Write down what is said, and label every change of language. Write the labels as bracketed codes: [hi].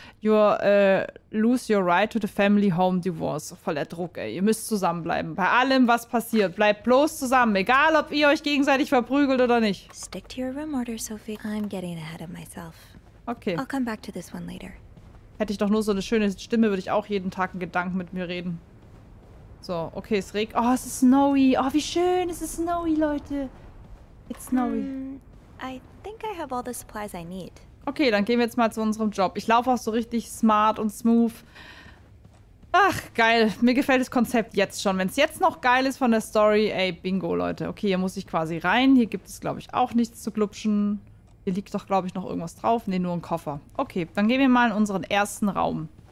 [en] You lose your right to the family home divorce. [de] Voller Druck, ey. Ihr müsst zusammenbleiben. Bei allem, was passiert, bleibt bloß zusammen. Egal, ob ihr euch gegenseitig verprügelt oder nicht. [en] Stick to your room order, Sophie. I'm getting ahead of myself. Okay. I'll come back to this one later. [de] Hätte ich doch nur so eine schöne Stimme, würde ich auch jeden Tag einen Gedanken mit mir reden. So, okay, es regnet. Oh, es ist snowy. Oh, wie schön, es ist snowy, Leute. [en] It's snowy. I think I have all the supplies I need. [de] Okay, dann gehen wir jetzt mal zu unserem Job. Ich laufe auch so richtig smart und smooth. Ach, geil. Mir gefällt das Konzept jetzt schon. Wenn es jetzt noch geil ist von der Story, ey, bingo, Leute. Okay, hier muss ich quasi rein. Hier gibt es, glaube ich, auch nichts zu glubschen. Hier liegt doch, glaube ich, noch irgendwas drauf. Nee, nur ein Koffer. Okay, dann gehen wir mal in unseren ersten Raum.